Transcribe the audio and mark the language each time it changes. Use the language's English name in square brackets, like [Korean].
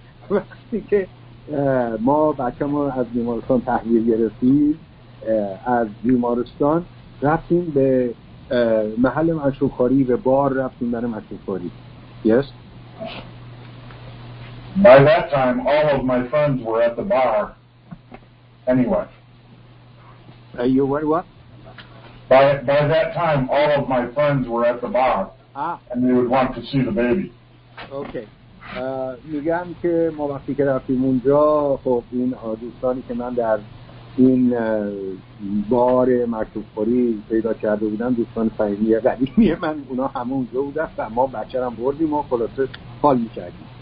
[Persian] وقتی که ما بچه‌مون از بیمارستان تحویل گرفتیم، از بیمارستان رفتیم به محل مشروب‌خوری، به بار رفتیم برای مشروب‌خوری. [English] Yes. By that time, all of my friends were at the bar. Anyway. You were what? By that time, all of my friends were at the bar, and they would want to see the baby. Okay. [Persian] میگم که ما وقتی که رفتیم اونجا، خب این دوستانی که من در این بار مکتوب‌خوری پیدا کرده بودم، دوستان فهمیه قدیمی من، اونا همه اونجا بودن و ما بچه رو بردیم و خلاصه حال میکردیم.